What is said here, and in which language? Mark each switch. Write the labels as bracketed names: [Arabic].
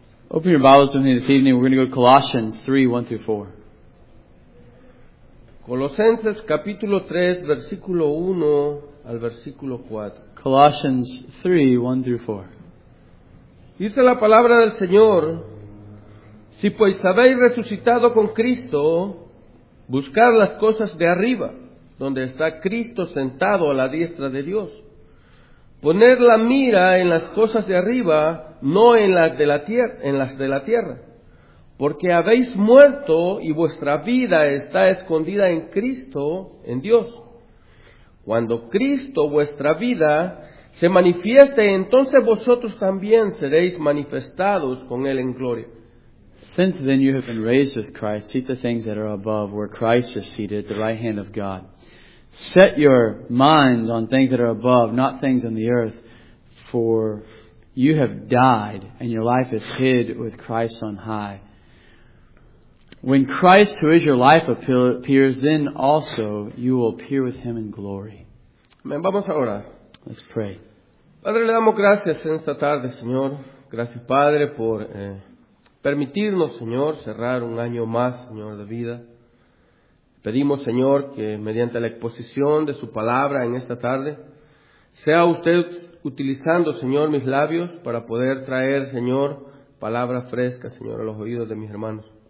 [English] Open your Bibles with me this evening. We're going to go to Colossians 3, 1 through 4. [Spanish] Colosenses, capítulo 3, versículo 1 al versículo 4. [English] Colossians 3, 1 through 4. [Spanish] Dice la palabra del Señor: si pues habéis resucitado con Cristo, buscad las cosas de arriba, donde está Cristo sentado a la diestra de Dios. Poned la mira en las cosas de arriba, no en las de la tierra, porque habéis muerto y vuestra vida está escondida en Cristo, en Dios. Cuando Cristo, vuestra vida, se manifieste, entonces vosotros también seréis manifestados con Él en gloria. [English] Since then you have been raised with Christ, seek the things that are above, where Christ is seated at the right hand of God. Set your minds on things that are above, not things on the earth, for you have died, and your life is hid with Christ on high. When Christ, who is your life, appears, then also you will appear with Him in glory. [Spanish] Amen. Vamos a orar. [English] Let's pray. [Spanish] Padre, le damos gracias en esta tarde, Señor. Gracias, Padre, por permitirnos, Señor, cerrar un año más, Señor, de vida. Pedimos, Señor, que mediante la exposición de su palabra en esta tarde, sea usted utilizando, Señor, mis labios para poder traer, Señor, palabra fresca, Señor, a los oídos de mis hermanos.